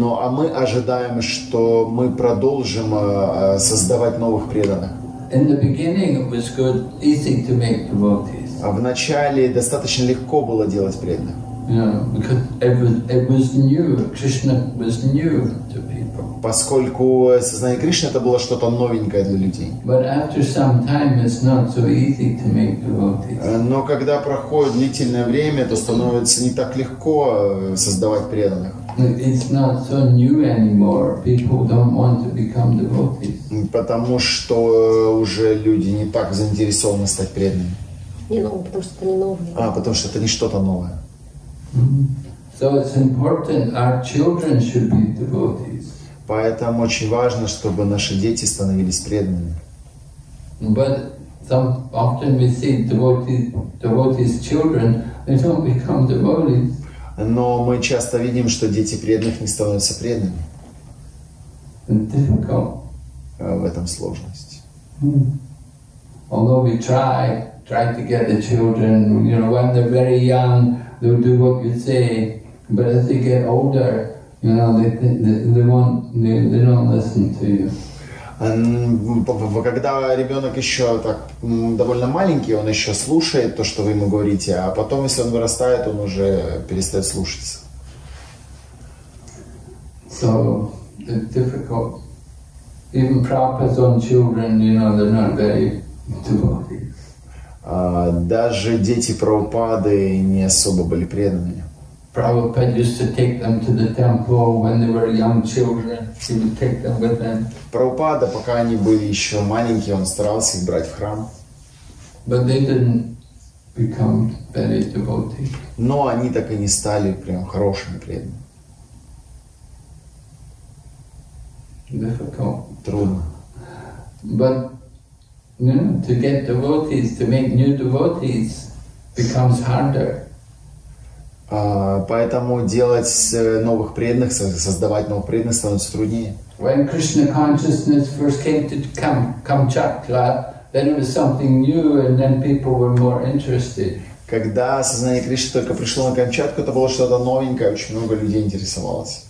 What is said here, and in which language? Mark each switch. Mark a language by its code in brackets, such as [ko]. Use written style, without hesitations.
[ru] Мы ожидаем, что мы продолжим создавать новых преданных. [en] In the beginning, it was good, easy to make devotees. [ru] А в начале достаточно легко было делать преданных. [en] Yeah, because it was new. Krishna was new to people. [ru] Поскольку сознание Кришны это было что-то новенькое для людей. [en] But after some time, it's not so easy to make devotees. [ru] Но когда проходит длительное время, то становится не так легко создавать преданных. [en] It's not so new anymore. People don't want to become devotees. [ru] Потому что уже люди не так заинтересованы стать преданными. Не новое, потому что это не новое. Потому что это не что-то новое. [en] So it's important our children should be devotees. [ru] Поэтому очень важно, чтобы наши дети становились преданными. [en] But often we see devotees' children, they don't become devotees. [ru] Но мы часто видим, что дети преданных не становятся преданными. [en] Difficult. [ru] В этом сложность. Mm. [en] Although we try to get the children, you know, when they're very young, they'll do what you say. But as they get older, you know, they don't listen to you. [ru] Когда ребенок еще так довольно маленький, он еще слушает то, что вы ему говорите, а потом, если он вырастает, он уже перестает слушаться. [en] So it's difficult. Even Prabhupada's own children, you know, they're not very devotees. [ru] Даже дети Прабхупады не особо были преданными. [en] Prabhupada used to take them to the temple when they were young children. He would take them with him. [ru] Прабхупада, пока они были еще маленькие, он старался их брать в храм. [en] But they didn't become very devotees. [ru] Но они так и не стали прям хорошими преданными. [en] Difficult. [ru] Трудно. [en] But you know, to get devotees, to make new devotees, becomes harder. [ru] Поэтому делать новых преданных, создавать новых преданных становится труднее. [en] When Krishna consciousness first came to Kamchatka, then it was something new, and then people were more interested. [ru] Когда сознание Кришны только пришло на Камчатку, это было что-то новенькое, очень много людей интересовалось.